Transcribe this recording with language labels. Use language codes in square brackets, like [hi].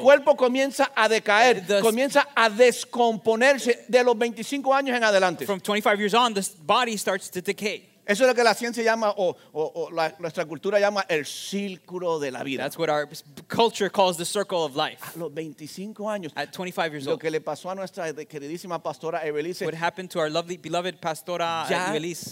[es] El cuerpo comienza a decaer, comienza a descomponerse de los 25 años en adelante. [en] From 25 years on, the body starts to decay. [es] Eso es lo que la ciencia llama o la, nuestra cultura llama el círculo de la vida. [en] That's what our culture calls the circle of life. [es] A los 25 años. [en] At 25 years old. [es] Lo que le pasó a nuestra queridísima pastora Evelise. [en] What happened to our lovely, beloved pastora Evelise.